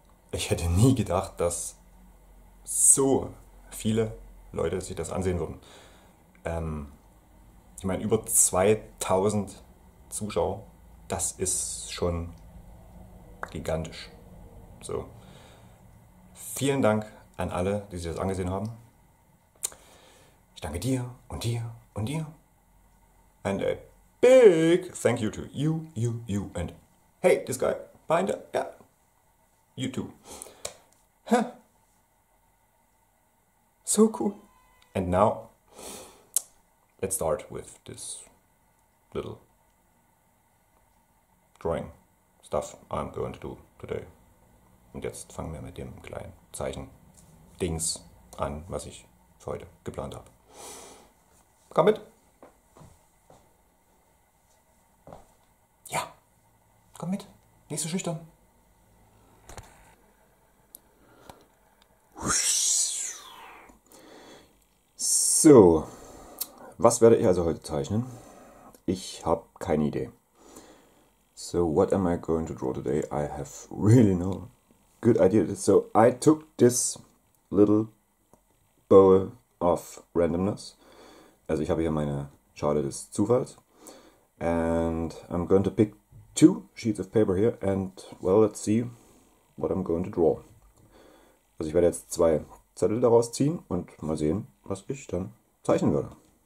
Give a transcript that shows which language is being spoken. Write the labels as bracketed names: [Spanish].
[German] Ich hätte nie gedacht, dass so viele Leute sich das ansehen würden. Ich meine, über 2000 Zuschauer, das ist schon gigantisch. So. Vielen Dank an alle, die sich das angesehen haben. Ich danke dir und dir und dir. [English] And a big thank you to you and hey, this guy behind the, yeah, you too. Huh. So cool. And now, let's start with this little drawing stuff I'm going to do today. [German] Und jetzt fangen wir mit dem kleinen Zeichen Dings an, was ich für heute geplant habe. Komm mit! Komm mit! Nicht so schüchtern! So, was werde ich also heute zeichnen? Ich habe keine Idee. [English] So, what am I going to draw today? I have really no good idea. So, I took this little bowl of randomness. [German] Also, ich habe hier meine Schale des Zufalls. [English] And I'm going to pick two sheets of paper here. And, well, let's see what I'm going to draw. [German] Also, ich werde jetzt zwei Zettel daraus ziehen und mal sehen, was ich dann zeichnen würde.